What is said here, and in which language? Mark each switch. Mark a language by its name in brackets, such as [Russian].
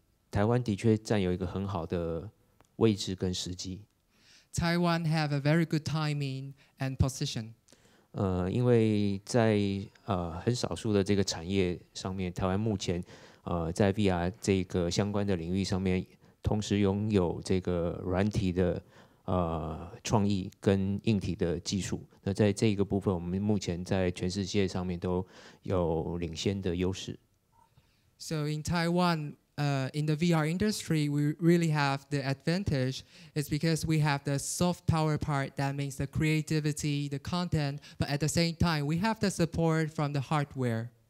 [Chinese] 台湾的确占有一个很好的位置跟时机。 [English] Taiwan have a very good timing and position. [Chinese] 因为在很少数的这个产业上面，台湾目前在 VR 这个相关的领域上面，同时拥有这个软体的创意跟硬体的技术。那在这个部分，我们目前在全世界上面都有领先的优势。 [English] So in Taiwan. In the VR industry, we really have the advantage. It's because we have the soft power part, that means the creativity, the content, but at the same time, we have the support from the hardware.